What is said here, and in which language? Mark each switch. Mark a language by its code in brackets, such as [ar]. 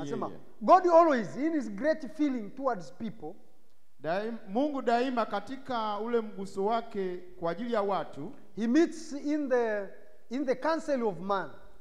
[en] Anasema God always in his great feeling towards people. [sw] Mungu daima katika ule mguso wake kwa ajili ya watu. [en] He meets in the council of man.